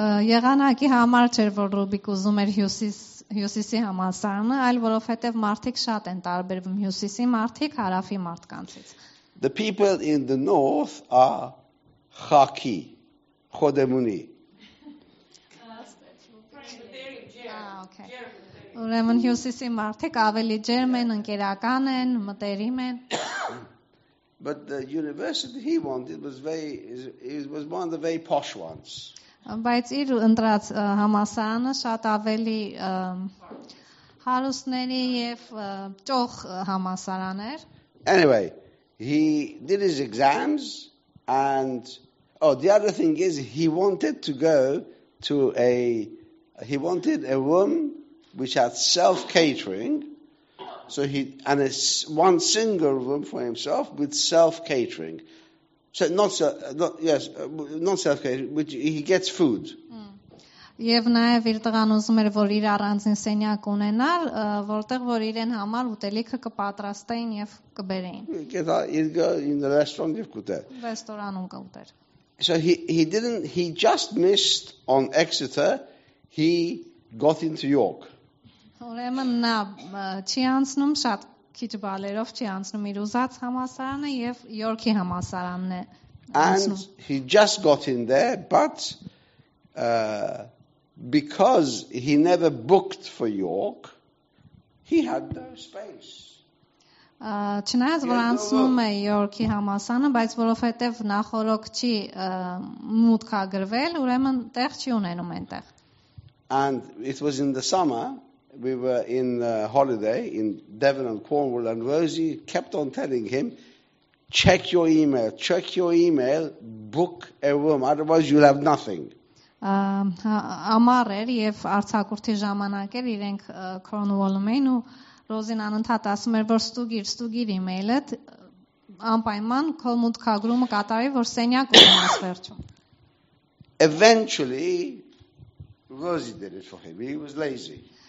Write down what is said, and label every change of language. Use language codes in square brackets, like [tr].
[hy] Եղանակի համար չէ որ Ռուբիկ ուզում էր հյուսիսի համալսարանը, այլ որովհետև մարդիկ շատ են տարբերվում հյուսիսի մարդիկ հարավի մարդկանցից. [en] The people in the north are [fa] Khaki, Khodemuni. [hy] Ուրեմն հյուսիսի մարդիկ ավելի ջերմ են, ընկերական են, մտերիմ են. [en] But the university he wanted was it was one of the very posh ones. [hy] Բայց իր ընտրած համալսարանը շատ ավելի հարուստների եւ ճոխ համալսարան էր. [en] Anyway, he did his exams and the other thing is he wanted a room which had self-catering, so he and one single room for himself with self-catering. So not self-catering, which he gets food. [hy] Եվ նաև իր տղան ուզում էր, որ իր առանձին սենյակ ունենար, որտեղ որ իրեն համար ուտելիքը կպատրաստեին եւ կբերեին։ Ռեստորանում կուտեր։ [en] So he just missed on Exeter. He got into York. [hy] Ուրեմն նա չի անցնում, շատ քիչ բալերով չի անցնում իր ուզած համալսարանը եւ Յորքի համալսարանն է անցնում։ [en] And he just got in there, but because he never booked for York, he had no space. [hy] Չնայած որ անցնում է Յորքի համալսարանը, բայց որովհետև նախորոք չի մուտքա գրվել, ուրեմն տեղ չի ունենում այնտեղ։ [en] And it was in the summer. We were in a holiday in Devon and Cornwall, and Rosie kept on telling him, check your email, book a room, otherwise you'll have nothing. [hy] Ամառ էր եւ արցակուրտի ժամանակ էր, իրենք Cornwall-ում էին ու Ռոզին անընդհատ ասում էր, որ ստուգիր email-ըդ, անպայման քո մուտքի գրումը կատարի, որ սենյակ ունես վերջում. [en] Eventually, Rosie did it for him. He was lazy.